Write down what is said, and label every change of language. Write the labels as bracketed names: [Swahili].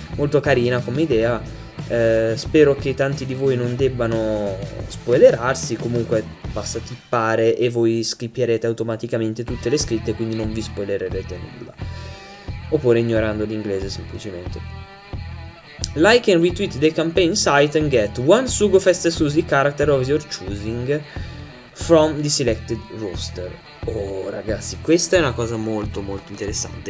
[Italian] Molto carina come idea. Spero che tanti di voi non debbano spoilerarsi, comunque basta tippare e voi skipperete automaticamente tutte le scritte, quindi non vi spoilererete nulla, oppure ignorando l'inglese semplicemente. [English] Like and retweet the campaign site and get one Sugo Fest Susi character of your choosing from the selected roster. [Italian] Oh ragazzi, questa è una cosa molto molto interessante.